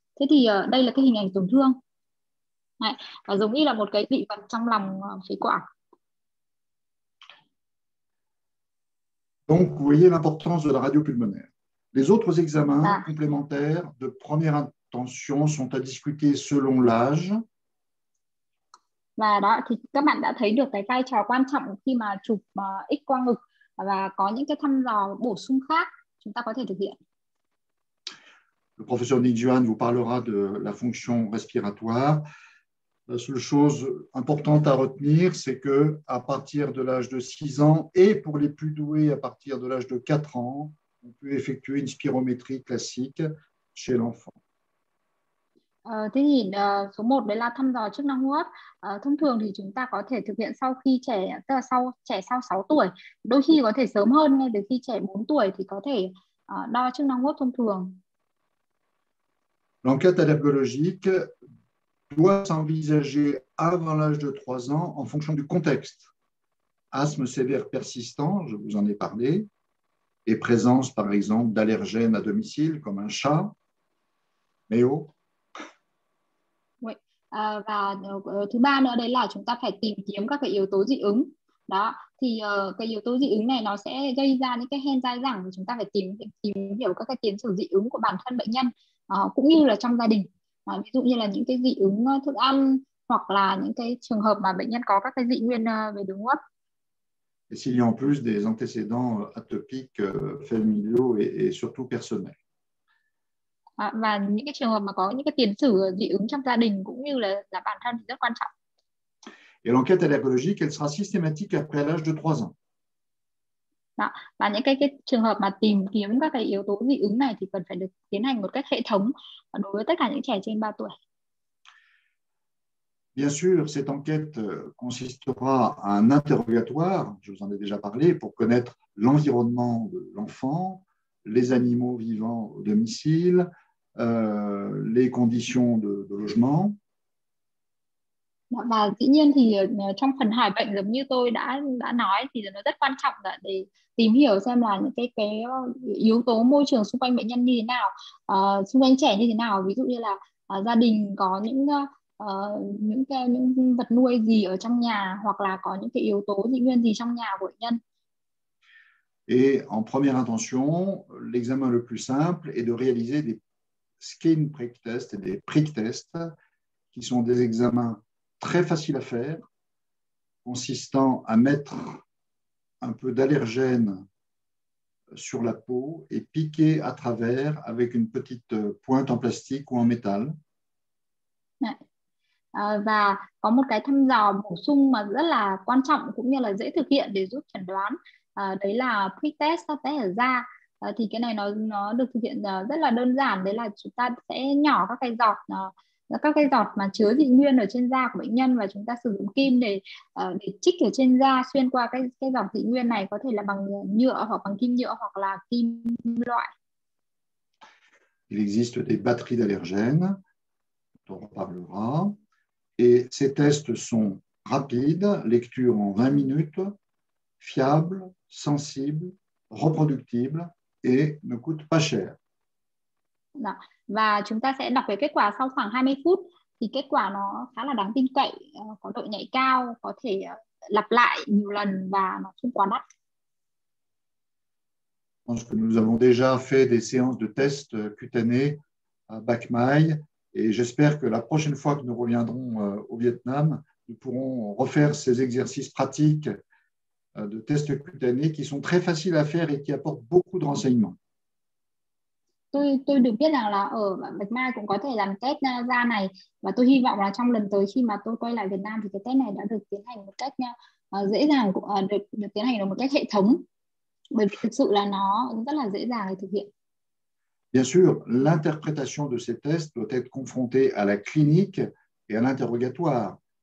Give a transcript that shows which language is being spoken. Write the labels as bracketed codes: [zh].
[vi] Thế thì đây là cái hình ảnh tổn thương. Đấy, và giống như là một cái dị vật trong lòng phế quản. [fr] Donc, vous voyez l'importance de la radio pulmonaire. Les autres examens complémentaires de première intention sont à discuter selon l'âge. [vi] Và đó, thì các bạn đã thấy được cái vai trò quan trọng khi mà chụp x-quang ngực và có những cái thăm dò bổ sung khác chúng ta có thể thực hiện. [fr] Le professeur Nick Duan vous parlera de la fonction respiratoire. La seule chose importante à retenir, c'est qu'à partir de l'âge de 6 ans et pour les plus doués à partir de l'âge de 4 ans, on peut effectuer une spirométrie classique chez l'enfant. [vi] Thế thì số 1 đấy là thăm dò chức năng hô hấp. Thông thường thì chúng ta có thể thực hiện sau khi trẻ, tức là sau trẻ sau 6 tuổi. Đôi khi có thể sớm hơn, ngay từ khi trẻ 4 tuổi thì có thể đo chức năng hô hấp thông thường. [fr] L'enquête allergologique doit s'envisager avant l'âge de 3 ans en fonction du contexte. Asthme sévère persistant, je vous en ai parlé, et présence par exemple d'allergènes à domicile comme un chat, méo. [vi] Và thứ ba nữa đấy là chúng ta phải tìm kiếm các cái yếu tố dị ứng đó, thì cái yếu tố dị ứng này nó sẽ gây ra những cái hen dai dẳng, chúng ta phải tìm hiểu các cái tiến sử dị ứng của bản thân bệnh nhân cũng như là trong gia đình, ví dụ như là những cái dị ứng thức ăn hoặc là những cái trường hợp mà bệnh nhân có các cái dị nguyên về đường hô hấp. [fr] Et s'il y a en plus des antécédents atopiques familiaux et surtout personnels. [vi] Và những cái trường hợp mà có những cái tiền sử dị ứng trong gia đình cũng như là bản thân thì rất quan trọng. [fr] Et l'enquête allergologique, elle sera systématique après l'âge de 3 ans. [vi] Đó. Và những cái trường hợp mà tìm kiếm các cái yếu tố dị ứng này thì cần phải được tiến hành một cách hệ thống đối với tất cả những trẻ trên 3 tuổi. [fr] Bien sûr, cette enquête consistera à un interrogatoire, je vous en ai déjà parlé, pour connaître l'environnement de l'enfant, les animaux vivant au domicile, les conditions de logement. [vi] Và dĩ nhiên thì trong phần hỏi bệnh giống như tôi đã nói thì nó rất quan trọng là để tìm hiểu xem là những cái yếu tố môi trường xung quanh bệnh nhân như thế nào, xung quanh trẻ như thế nào, ví dụ như là gia đình có những vật nuôi gì ở trong nhà hoặc là có những cái yếu tố dị nguyên gì trong nhà của bệnh nhân. [fr] Et en première intention, l'examen le plus simple est de réaliser des skin prick tests et des prick tests, qui sont des examens très faciles à faire, consistant à mettre un peu d'allergène sur la peau et piquer à travers avec une petite pointe en plastique ou en métal. [vi] Và có một cái thăm dò bổ sung mà rất là quan trọng cũng như là dễ thực hiện để giúp chẩn đoán. Đấy là prick test, test ở da. Thì cái này nó được thực hiện rất là đơn giản. Đấy là chúng ta sẽ nhỏ các cái giọt mà chứa dị nguyên ở trên da của bệnh nhân và chúng ta sử dụng kim để chích ở trên da xuyên qua cái giọt dị nguyên này, có thể là bằng nhựa hoặc bằng kim nhựa hoặc là kim loại. [fr] Il existe des batteries d'allergènes, dont on parlera. Et ces tests sont rapides, lecture en 20 minutes, fiable, sensible, reproductible et ne coûte pas cher. [vi] Đó. Và chúng ta sẽ đọc về kết quả sau khoảng 20 phút thì kết quả nó khá là đáng tin cậy, có độ nhạy cao, có thể lặp lại nhiều lần và nó không quá đắt. [fr] Parce que nous avons déjà fait des séances de tests cutanés à Bac Mai et j'espère que la prochaine fois que nous reviendrons au Vietnam, nous pourrons refaire ces exercices pratiques de tests cutanés qui sont très faciles à faire et qui apportent beaucoup de renseignements. [vi] Tôi được biết rằng là ở Bạch Mai cũng có thể làm test da này và tôi hy vọng là trong lần tới khi mà tôi quay lại Việt Nam thì cái test này đã được tiến hành một cách dễ dàng, được tiến hành được một cách hệ thống, bởi vì thực sự là nó rất là dễ dàng để thực hiện. [fr] Bien sûr, l'interprétation de ces tests doit être confrontée à la clinique et à l'interrogatoire.